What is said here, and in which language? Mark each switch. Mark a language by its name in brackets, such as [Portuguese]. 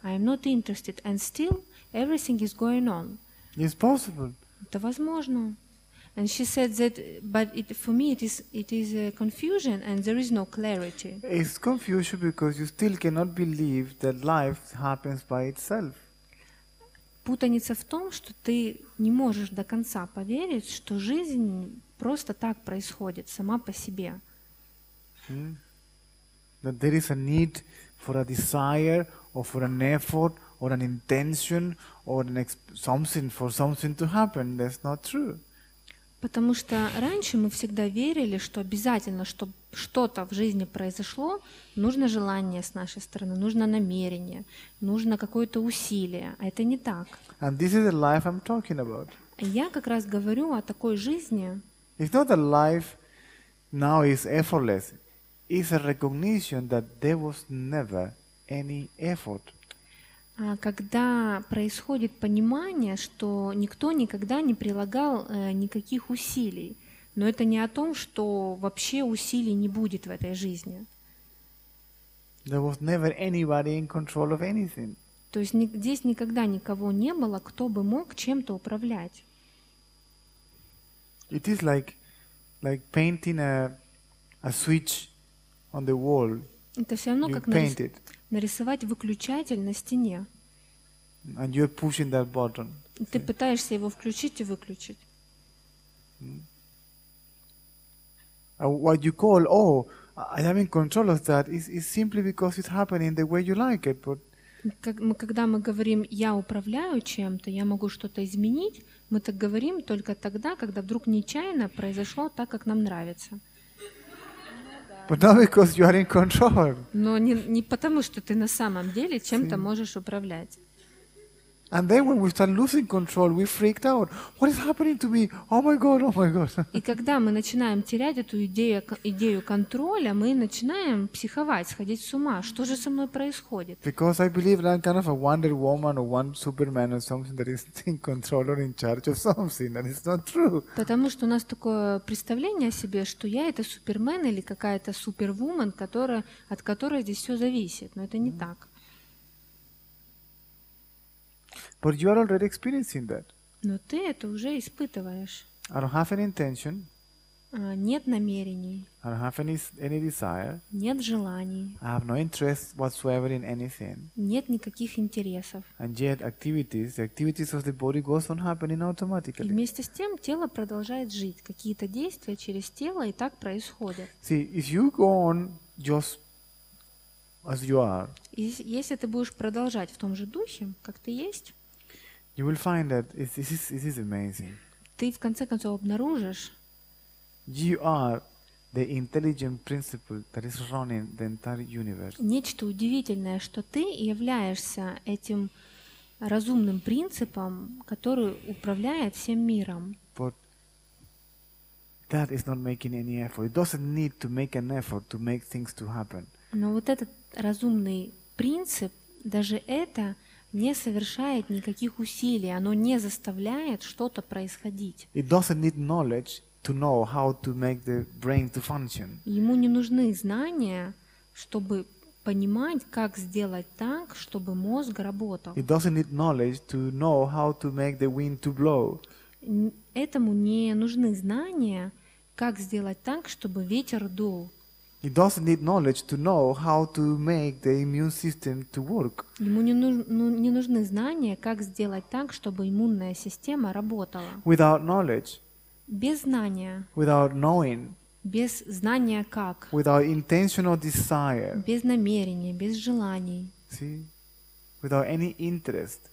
[English] I am not interested, and still everything is going on. It's possible. [Russian] Это возможно. [English] And she said that, but for me it is a confusion, and there is no clarity. It's confusion because you still cannot believe that life happens by itself. [Russian] Путаница в том, что ты не можешь до конца поверить, что жизнь просто так происходит сама по себе. [English] That there is a need for a desire or for an effort or an intention or something to happen. That's not true. [Russian] Потому что раньше мы всегда верили, что обязательно, чтобы что-то в жизни произошло, нужно желание с нашей стороны, нужно намерение, нужно какое-то усилие. А это не так. [English] And this is the life I'm talking about. [Russian] Я как раз говорю о такой жизни. [English] It's not that life now is effortless. It's a recognition that there was never any effort. [Russian] Когда происходит понимание, что никто никогда не прилагал никаких усилий, но это не о том, что вообще усилий не будет в этой жизни. [English] There was never anybody in control of anything. [Russian] То есть здесь никогда никого не было, кто бы мог чем-то управлять. [English] It is like painting a switch on the wall. [Russian] Это все равно как нарисовать выключатель на стене. [English] And you're pushing that button. [Russian] Ты пытаешься его включить и выключить. [English] What you call I am in control of that is simply because it's happening the way you like it. But [Russian] когда мы говорим я управляю чем-то, я могу что-то изменить, мы так говорим только тогда, когда вдруг нечаянно произошло так, как нам нравится. [English] But not because you are in control. [Russian] Но не потому, что ты на самом деле чем-то можешь управлять. [English] And then when we start losing control, we freaked out. What is happening to me? Oh my God, oh my God. [Russian] И когда мы начинаем терять эту идею контроля, мы начинаем психовать, сходить с ума. Что же со мной происходит? [English] Because I believe that I'm kind of a Wonder Woman or one Superman or something that is in control or in charge of something, and it's not true. [Russian] Потому что у нас такое представление о себе, что я это Супермен или какая-то Супервумен, от которой здесь все зависит. Но это не так. [English] But you are already experiencing that. [Russian] Но ты это уже испытываешь. [English] I don't have any intention. [Russian] Нет намерений. [English] I don't have any desire. [Russian] Нет желаний. [English] I have no interest whatsoever in anything. [Russian] Нет никаких интересов. [English] And yet the activities of the body goes on happening automatically. [Russian] И вместе с тем тело продолжает жить. Какие-то действия через тело и так происходят. [English] See, if you go on just as you are. [Russian] Если ты будешь продолжать в том же духе, как ты есть, [English] you will find that it is amazing. [Russian] Ты в конце концов обнаружишь. [English] You are the intelligent principle that is running the entire universe. [Russian] Нечто удивительное, что ты являешься этим разумным принципом, который управляет всем миром. [English] But that is not making any effort. It doesn't need to make an effort to make things to happen. [Russian] Но вот этот разумный принцип, даже это не совершает никаких усилий, оно не заставляет что-то происходить. [English] It doesn't need knowledge to know how to make the brain to function. [Russian] Ему не нужны знания, чтобы понимать, как сделать так, чтобы мозг работал. [English] It doesn't need knowledge to know how to make the wind to blow. [Russian] Этому не нужны знания, как сделать так, чтобы ветер дул. [English] It doesn't need knowledge to know how to make the immune system to work. [Russian] Ему не нужны знания, как сделать так, чтобы иммунная система работала. [English] Without knowledge, [Russian] без знания, [English] without knowing, [Russian] без знания как, [English] without intentional desire, [Russian] без намерения, без желаний, [English] see, without any interest,